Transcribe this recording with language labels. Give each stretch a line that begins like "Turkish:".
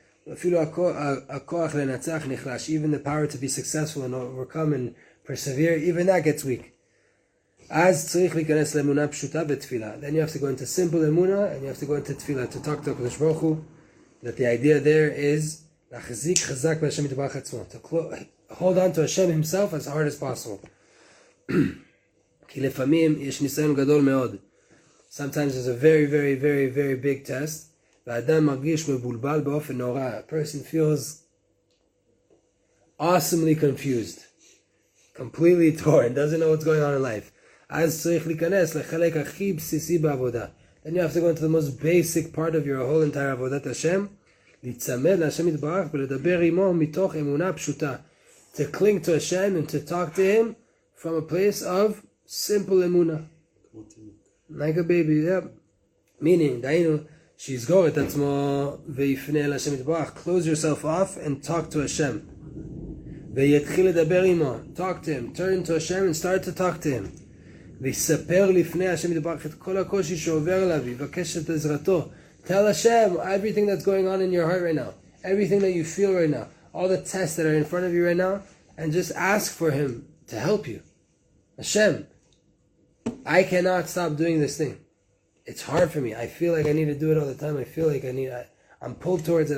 Hebrew: Afilu ha'koach lenatzach nichlash.
English: Even the power to be successful and overcome and persevere, even that gets weak.
Hebrew: Az tzrich likanes le'emunah pshuta v'tfilah.
English: Then you have to go into simple emunah and you have to go into tfilah to talk to HaKadosh Baruch Hu. That the idea there is
Hebrew: להחזיק חזק בהשם יתברך עצמו.
English: Hold on to Hashem himself as hard as possible.
Hebrew: כי לפעמים יש ניסיון גדול מאוד.
English: Sometimes there's a very, very, very, very big test.
Hebrew: והאדם מרגיש מבולבל באופן נורא.
English: A person feels awesomely confused. Completely torn. Doesn't know what's going on in life.
Hebrew: אז צריך להיכנס לחלק הכי בסיסי בעבודה.
English: Then you have to go into the most basic part of your whole entire עבודת השם.
Hebrew: להצמד להשם יתברך ולדבר עמו מתוך אמונה פשוטה.
English: To cling to Hashem and to talk to him from a place of simple אמונה. Like a baby, yep.
Hebrew: Meaning, דיינו, שיסגור את עצמו ויפנה להשם יתברך.
English: Close yourself off and talk to Hashem.
Hebrew: ויתחיל לדבר עמו.
English: Talk to him. Turn to Hashem and start to talk to him.
Hebrew: ויספר לפני השם יתברך את כל הקושי שעובר עליו. ויבקש את עזרתו.
English: Tell Hashem everything that's going on in your heart right now. Everything that you feel right now. All the tests that are in front of you right now. And just ask for him to help you. Hashem, I cannot stop doing this thing. It's hard for me. I feel like I need to do it all the time. I feel like I'm pulled towards it.